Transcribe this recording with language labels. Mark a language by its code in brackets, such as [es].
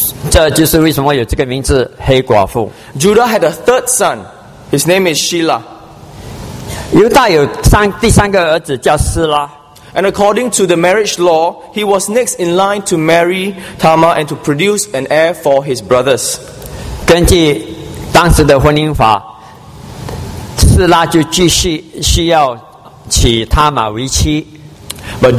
[zh] 这就是为什么有这个名字，黑寡妇。 [en] Judah had a third son. His name is Shelah. [zh] 犹大有第三个儿子叫斯拉。 [en] And according to the marriage law, he was next in line to marry Tamar and to produce an heir for his brothers. [zh] 根据当时的婚姻法，斯拉就继续需要娶他玛为妻。 [en] But